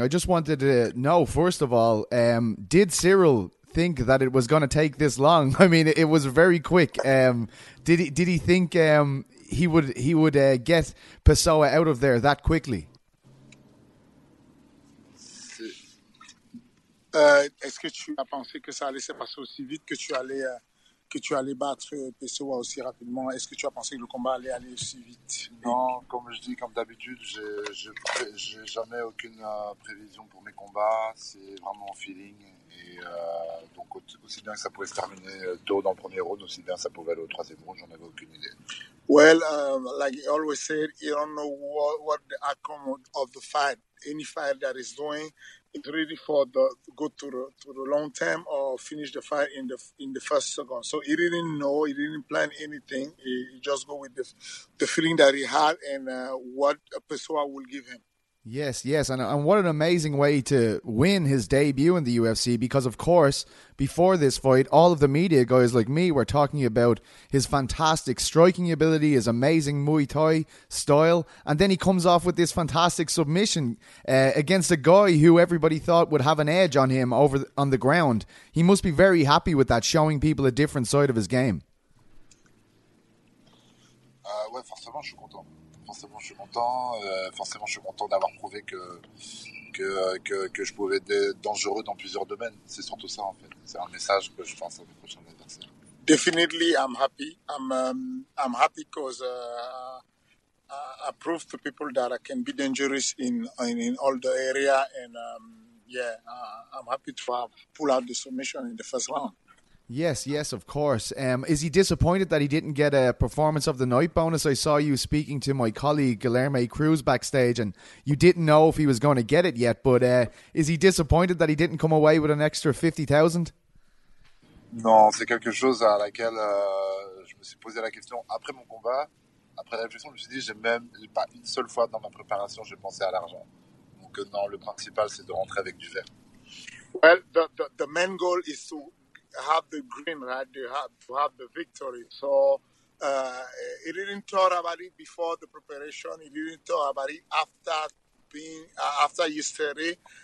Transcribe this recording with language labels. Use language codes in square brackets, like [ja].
[en] I just wanted to know, first of all, did Cyril think that it was going to take this long? I mean, it was very quick. Did he think he would get Pessoa out of there that quickly? [fr] Est-ce que tu as pensé que ça allait se passer aussi vite que tu allais... que tu allais battre Pessoa aussi rapidement? Est-ce que tu as pensé que le combat allait aller aussi vite? Non, comme je dis, comme d'habitude, j'ai jamais aucune prévision pour mes combats. C'est vraiment feeling. Et donc, aussi bien que ça pouvait se terminer tôt dans le premier round, aussi bien que ça pouvait aller au troisième round, j'en avais aucune idée. [en] Well, like you always said, you don't know what the outcome of the fight. Any fight that is doing, it's really for the go to the long term or finish the fight in the first second. So he didn't know, he didn't plan anything. He just go with the feeling that he had and what Pessoa will give him. Yes, and what an amazing way to win his debut in the UFC, because of course, before this fight, all of the media guys like me were talking about his fantastic striking ability, his amazing Muay Thai style, and then he comes off with this fantastic submission against a guy who everybody thought would have an edge on him on the ground. He must be very happy with that, showing people a different side of his game. [fr] Forcément, je suis content. Forcément, je suis content. Forcément, je suis content d'avoir prouvé que je pouvais être dangereux dans plusieurs domaines. C'est surtout ça, en fait. C'est un message que je pense à mes prochains adversaires. [en] Definitely, I'm happy. I'm happy because I proved to people that I can be dangerous in all the area. And I'm happy to have pull out the submission in the first round. Yes, of course. Is he disappointed that he didn't get a performance of the night bonus? I saw you speaking to my colleague Guilherme Cruz backstage, and you didn't know if he was going to get it yet. But is he disappointed that he didn't come away with an extra 50,000? [fr] Non, c'est quelque chose à laquelle je me suis posé la question après mon combat. Après la réflexion, je me suis dit, pas une seule fois dans ma préparation, j'ai pensé à l'argent. Donc non, le principal, c'est de rentrer avec du vert. [en] Well, the main goal is to have the green, right? To have the victory. So he didn't thought about it before the preparation. He didn't thought about it after yesterday.